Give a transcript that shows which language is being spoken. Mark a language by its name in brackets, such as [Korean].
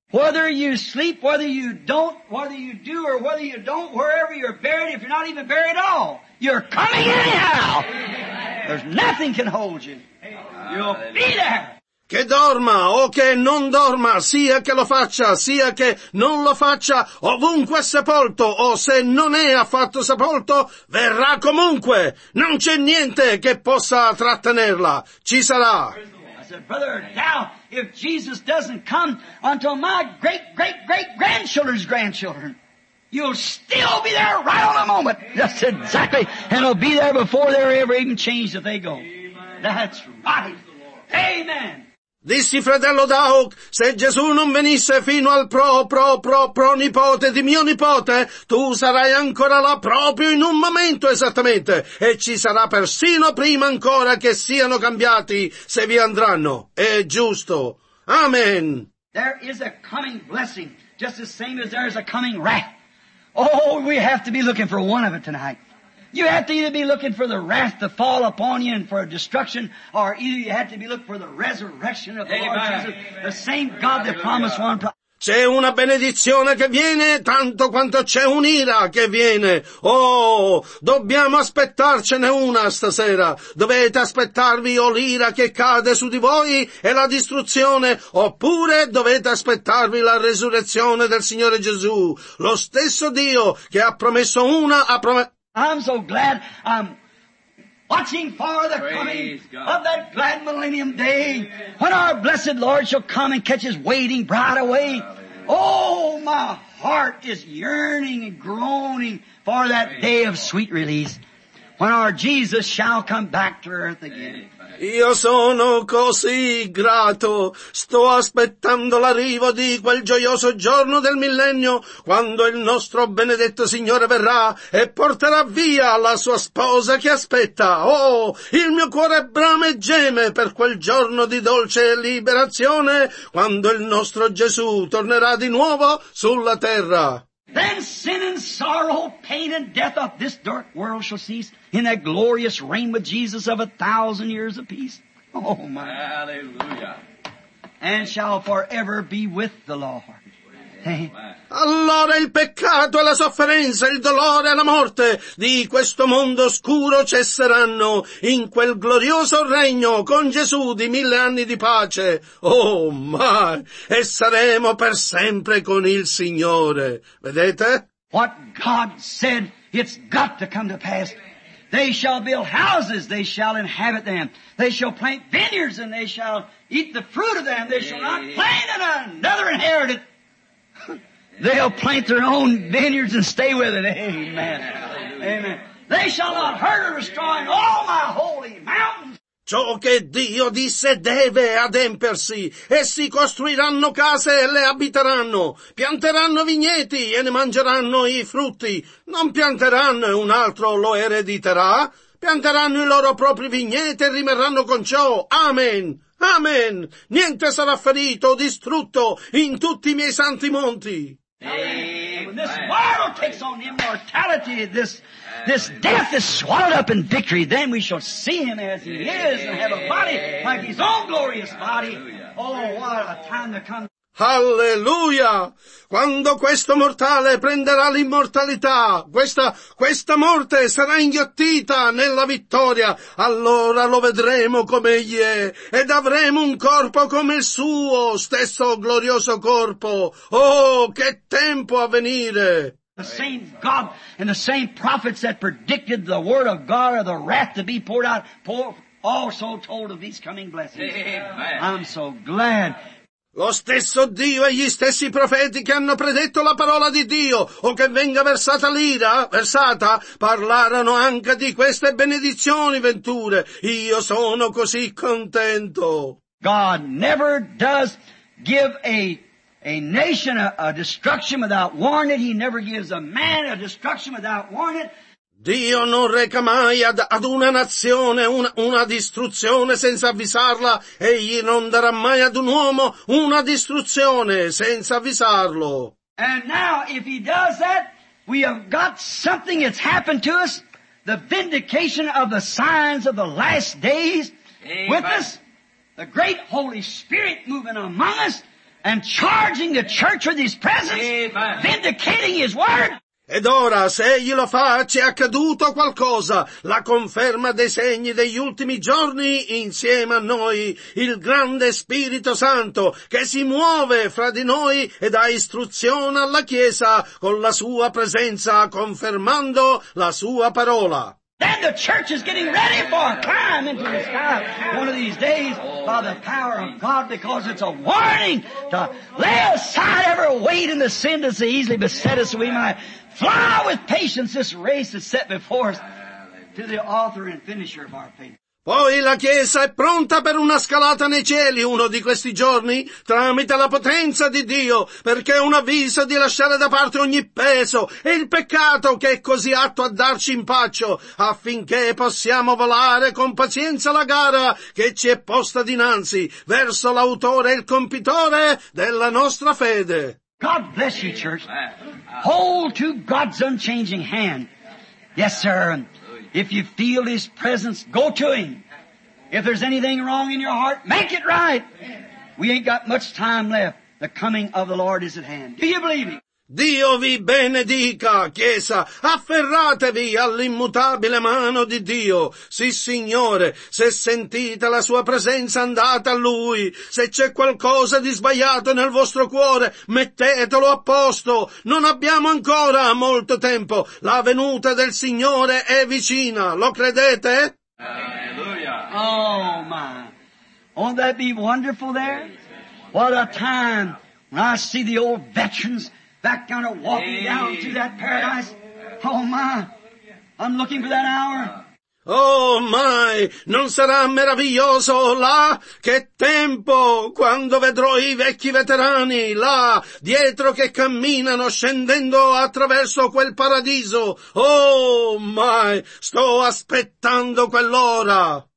[English] Whether you sleep, whether you don't, whether you do or whether you don't, wherever you're buried, if you're not even buried at all, you're coming anyhow. There's nothing can hold you. You'll be there. [Italian] Che dorma o che non dorma, sia che lo faccia, sia che non lo faccia, ovunque è sepolto o se non è affatto sepolto, verrà comunque. Non c'è niente che possa trattenerla. Ci sarà. [English] Brother, now, if Jesus doesn't come until my great-great-great-grandchildren's grandchildren, you'll still be there right on the moment. That's exactly. And it'll be there before they're ever even changed if they go. That's right. Amen. [Italian] Dissi, fratello Doug, se Gesù non venisse fino al pro-pro-pro-pro-nipote di mio nipote, tu sarai ancora là proprio in un momento esattamente, e ci sarà persino prima ancora che siano cambiati, se vi andranno. È giusto. Amen. [English] There is a coming blessing, just the same as there is a coming wrath. Oh, we have to be looking for one of it tonight. You have to either be looking for the wrath to fall upon you and for destruction, or either you have to be looking for the resurrection of the Lord Jesus, Amen. The same God that promised one. [Italian] C'è una benedizione che viene tanto quanto c'è un'ira che viene. Oh, dobbiamo aspettarcene una stasera. Dovete aspettarvi o l'ira che cade su di voi e la distruzione, oppure dovete aspettarvi la resurrezione del Signore Gesù. Lo stesso Dio che ha promesso una ha promesso... [English] I'm so glad I'm watching for the coming of that glad millennium day when our blessed Lord shall come and catch his waiting bride away. Oh, my heart is yearning and groaning for that day of sweet release when our Jesus shall come back to earth again. [Italian] Io sono così grato, sto aspettando l'arrivo di quel gioioso giorno del millennio, quando il nostro benedetto Signore verrà e porterà via la sua sposa che aspetta. Oh, il mio cuore brama e geme per quel giorno di dolce liberazione, quando il nostro Gesù tornerà di nuovo sulla terra. [English] Then sin and sorrow, pain and death of this dark world shall cease in that glorious reign with Jesus of 1,000 years of peace. Oh, my. Hallelujah. And shall forever be with the Lord. [Italian] Allora il peccato e la sofferenza, il dolore e la morte di questo mondo oscuro cesseranno in quel glorioso regno con Gesù di 1,000 anni di pace. [English] Oh, my! [Italian] E saremo per sempre con il Signore. Vedete? [English] What God said, it's got to come to pass. They shall build houses, they shall inhabit them. They shall plant vineyards, and they shall eat the fruit of them. They shall not plant in another inheritance. They'll plant their own vineyards and stay with it. Amen. Amen. They shall not hurt or destroy all my holy mountains. [Italian] Ciò che Dio disse deve adempersi. Essi costruiranno case e le abiteranno. Pianteranno vigneti e ne mangeranno i frutti. Non pianteranno e un altro lo erediterà. Pianteranno i loro propri vigneti e rimarranno con ciò. Amen. Amen. Niente sarà ferito o distrutto in tutti i miei santi monti. Amen. [English] when this mortal takes on immortality, this death is swallowed up in victory, then we shall see him as he is and have a body like his own glorious body. Oh, what a time to come. Alleluia! [Italian] Quando questo mortale prenderà l'immortalità, questa morte sarà inghiottita nella vittoria, allora lo vedremo come egli è, ed avremo un corpo come il suo, stesso glorioso corpo. Oh, che tempo a venire! [English] The same God and the same prophets that predicted the word of God or the wrath to be poured out, also told of these coming blessings. I'm so glad. [Italian] Lo stesso Dio e gli stessi profeti che hanno predetto la parola di Dio o che venga versata l'ira, parlarono anche di queste benedizioni venture. Io sono così contento. [English] God never does give a nation a destruction without warning. He never gives a man a destruction without warning. [Italian] Dio non reca mai ad una nazione una distruzione senza avvisarla. Egli non darà mai ad un uomo una distruzione senza avvisarlo. [English] And now, if he does that, we have got something that's happened to us, the vindication of the signs of the last days. Amen. With us, the great Holy Spirit moving among us, and charging the church with his presence. Amen. Vindicating his word. [Italian] Ed ora, se egli lo fa, ci è accaduto qualcosa, la conferma dei segni degli ultimi giorni insieme a noi, il grande Spirito Santo che si muove fra di noi e dà istruzione alla Chiesa con la sua presenza, confermando la sua parola. [English] Then the church is getting ready for a climb into the sky one of these days by the power of God, because it's a warning to lay aside every weight and the sin that's easily beset us, so we might fly with patience this race that's set before us to the author and finisher of our faith. [Italian] Poi la Chiesa è pronta per una scalata nei cieli uno di questi giorni tramite la potenza di Dio, perché è un avviso di lasciare da parte ogni peso e il peccato che è così atto a darci impaccio, affinché possiamo volare con pazienza la gara che ci è posta dinanzi verso l'autore e il compitore della nostra fede. [English] God bless you, church. Hold to God's unchanging hand. Yes, sir. If you feel His presence, go to Him. If there's anything wrong in your heart, make it right. We ain't got much time left. The coming of the Lord is at hand. Do you believe me? [Italian] Dio vi benedica, Chiesa. Afferratevi all'immutabile mano di Dio. Sì, Signore, se sentite la Sua presenza, andate a Lui. Se c'è qualcosa di sbagliato nel vostro cuore, mettetelo a posto. Non abbiamo ancora molto tempo. La venuta del Signore è vicina. Lo credete? [English] Hallelujah. Oh, my. Won't that be wonderful there? What a time when I see the old veterans back down or walking down to that paradise. Oh my, I'm looking for that hour. Oh my, [Italian] non sarà meraviglioso là? Che tempo quando vedrò i vecchi veterani là, dietro che camminano scendendo attraverso quel paradiso. [English] Oh my, [Italian] sto aspettando quell'ora.